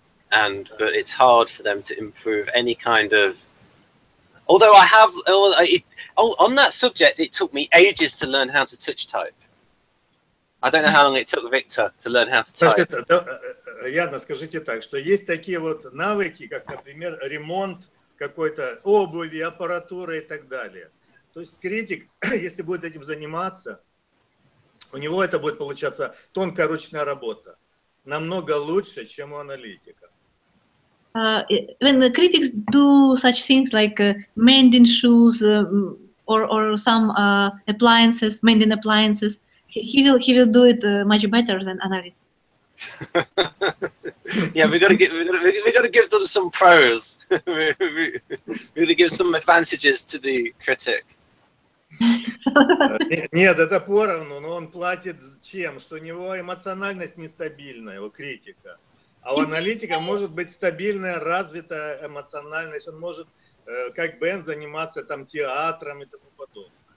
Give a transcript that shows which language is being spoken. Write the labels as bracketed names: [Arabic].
[English] But it's hard for them to improve any kind of. Although I have, on that subject, it took me ages to learn how to touch type. I don't know how long it took Victor to learn how to type. [Russian] Яна, скажите так, что есть такие вот навыки, как, например, ремонт какой-то обуви, аппаратуры и так далее. То есть критик, если будет этим заниматься, у него это будет получаться тонкая ручная работа, намного лучше, чем у аналитика. [English] When the critics do such things like mending shoes or some appliances, mending appliances, he will do it much better than analyst. Yeah, we gotta give them some pros. We gotta give some advantages to the critic. [Russian] Нет, это поровну, но он платит чем? Что у него эмоциональность нестабильная, у критика. А у аналитика может быть стабильная, развитая эмоциональность. Он может, как Бен, заниматься там театром и тому подобное.